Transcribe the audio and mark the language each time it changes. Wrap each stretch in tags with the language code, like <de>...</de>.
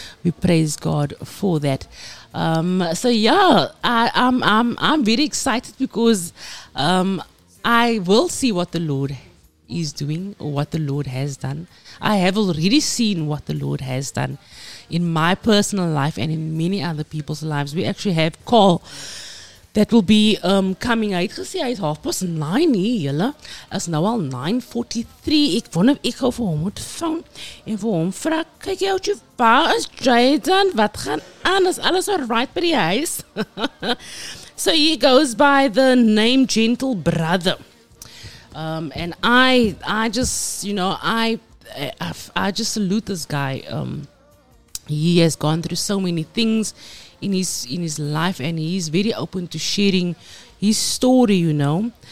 <en>We praise God for that. I'm very excited because I will see what the Lord is doing or what the Lord has done. I have already seen what the Lord has done in my personal life and in many other people's lives. We actually have call that will be coming out.</en> <af>Ek gesê hy is 9:30 hier, julle. Is nou al 9:43. Ek wonder ek gou vir hom moet vang en vir hom vra, kyk jy out, waar is Jayden? Wat gaan aan? Is alles al right by die huis?</af> <en>So he goes by the name Gentle Brother. And I just, you know, I just salute this guy. he has gone through so many things in his life, and he is very open to sharing his story, you know.</en>